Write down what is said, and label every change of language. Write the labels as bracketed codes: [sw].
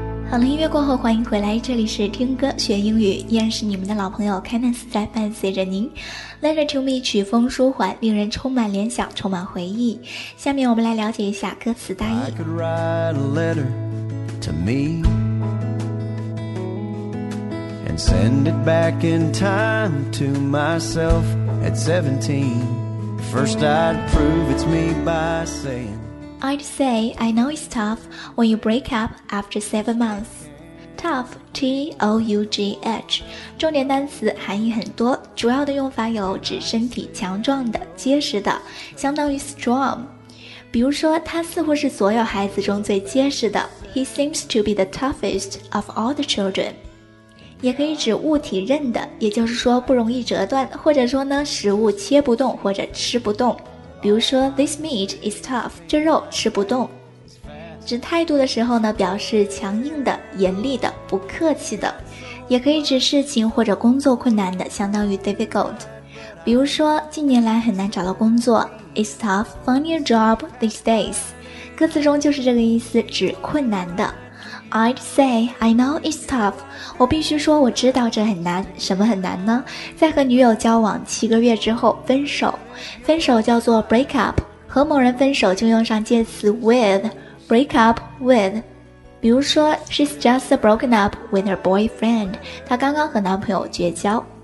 [zh] 好了，音乐过后欢迎回来，这里是听歌学英语，依然是你们的老朋友 Kenneth 在伴随着您。 Letter to me 曲风舒缓，令人充满联想，充满回忆。下面我们来了解一下歌词大意。 [en] I could write a letter to me And send it back in time to myself at 17 First I'd prove it's me by saying I'd say I know it's tough when you break up after 7 months. Tough, T-O-U-G-H. [zh] 重点单词含义很多，主要的用法有指身体强壮的、结实的，相当于 strong. 比如说，他似乎是所有孩子中最结实的。 [en] He seems to be the toughest of all the children. [zh] 也可以指物体韧的，也就是说不容易折断，或者说呢，食物切不动或者吃不动。比如说 [en] This meat is tough [zh] 这肉吃不动，指态度的时候呢，表示强硬的、严厉的、不客气的，也可以指事情或者工作困难的，相当于 difficult。比如说近年来很难找到工作， [en] It's tough finding a job these days， [zh] 歌词中就是这个意思，指困难的。 [en] I'd say I know it's tough， [zh] 我必须说我知道这很难。什么很难呢？在和女友交往7个月之后分手，分手叫做 break up， 和某人分手就用上介词 with， break up with。比如说 [en] She's just broken up with her boyfriend， [zh] 她刚刚和男朋友绝交。